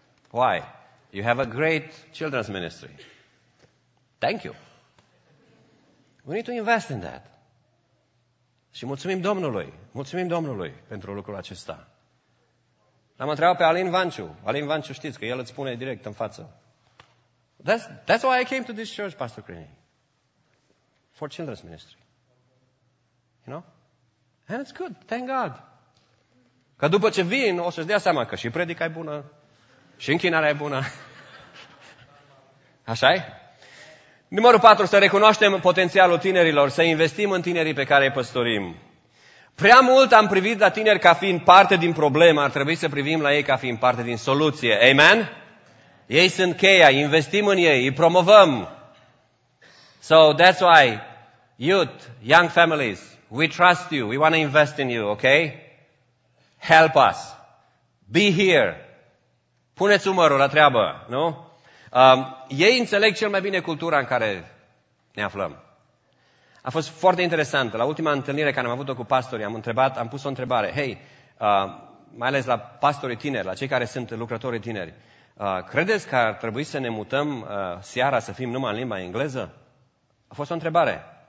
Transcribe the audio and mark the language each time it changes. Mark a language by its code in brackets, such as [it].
[en] Why? You have a great children's ministry. Thank you. We need to invest in that. [ro] Și mulțumim Domnului. Mulțumim Domnului pentru lucrul acesta. L-am întrebat pe Alin Vanciu. Alin Vanciu, știți că el îți spune direct în față. [en] That's why I came to this church, Pastor Crini. For children's ministry. You know? And it's good. Thank God. [ro] Că după ce vin, o să-ți dea seama că și predica e bună, și închinarea e bună. Așa-i? Numărul 4, să recunoaștem potențialul tinerilor, să investim în tinerii pe care îi păstorim. Prea mult am privit la tineri ca fiind parte din problemă, ar trebui să privim la ei ca fiind parte din soluție. Amen? Ei sunt cheia, investim în ei, îi promovăm. [en] So that's why, youth, young families, we trust you, we want to invest in you, okay? Help us. Be here. [ro] Puneți umărul la treabă, nu? Ei înțeleg cel mai bine cultura în care ne aflăm. A fost foarte interesant. La ultima întâlnire care am avut-o cu pastorii, am pus o întrebare. Hei, mai ales la pastorii tineri, la cei care sunt lucrători tineri, credeți că ar trebui să ne mutăm seara să fim numai în limba engleză? A fost o întrebare.